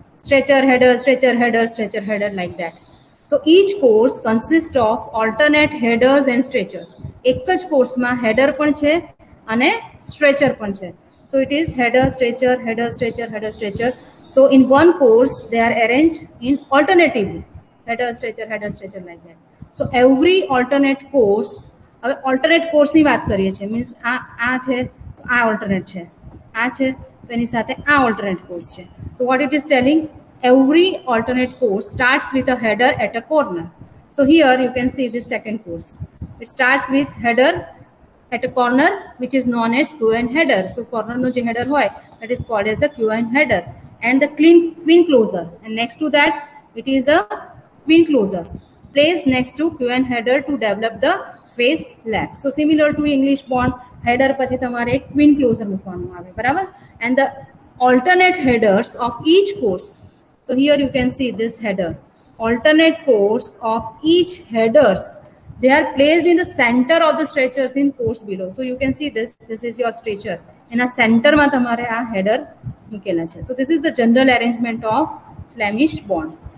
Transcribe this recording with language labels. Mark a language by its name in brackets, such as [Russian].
[English] Stretcher, header, stretcher, header, stretcher, header, like that. So each course consists of alternate headers and stretchers. [Gujarati] Ekaj course ma header pan chhe ane stretcher pan chhe. [English] So it is header, stretcher, header, stretcher, header, stretcher. So in one course they are arranged in alternatively, header, stretcher, like that. So every alternate course, [Gujarati] હવે alternate કોર્સની વાત કરીએ છીએ, means આ આ છે તો આ ઓલ્ટરનેટ છે, આ છે તો એની સાથે આ ઓલ્ટરનેટ કોર્સ છે. [English] So what it is telling, every alternate course starts with a header at a corner. So here you can see this second course, it starts with header at a corner which is known as QN header. [Gujarati] સો કોર્નરનો જે header હોય [English] That is called as a QN header and the clean queen closer, and next to that it is a queen closer place next to QN header to develop the face lap. So similar to English bond, header [Gujarati] પછી તમારે એક [English] queen closer [Gujarati] મૂકવાનું આવે, બરાબર. [English] And the alternate headers of each course, so here you can see this header, alternate course of each headers, they are placed in the center of the stretchers in course below. So you can see this, this is your stretcher, in a center [Gujarati] માં તમારે આ [English] header [Gujarati] મૂકેલા છે. [English] So this is the general arrangement of Flemish bond.